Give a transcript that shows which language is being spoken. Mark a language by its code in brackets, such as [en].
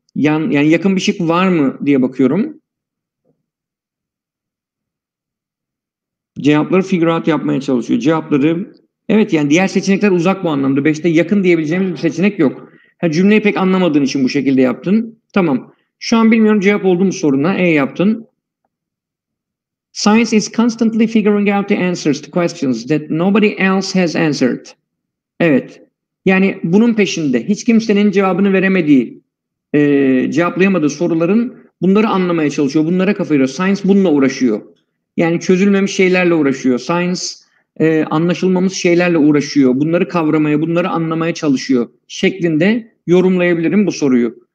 [tr] Yani yakın bir şık var mı diye bakıyorum. Cevapları [en] figure out [tr] yapmaya çalışıyor. Cevapları evet yani diğer seçenekler uzak bu anlamda. Beşte yakın diyebileceğimiz bir seçenek yok. Yani cümleyi pek anlamadığın için bu şekilde yaptın. Tamam. Şu an bilmiyorum cevap oldu mu soruna. E yaptın. [en] Science is constantly figuring out the answers to questions that nobody else has answered. [tr] Evet. Yani bunun peşinde. Hiç kimsenin cevabını veremediği, cevaplayamadığı soruların bunları anlamaya çalışıyor. Bunlara kafa yoruyor. Science bununla uğraşıyor. Yani çözülmemiş şeylerle uğraşıyor. Science anlaşılmamız şeylerle uğraşıyor. Bunları kavramaya, bunları anlamaya çalışıyor şeklinde yorumlayabilirim bu soruyu.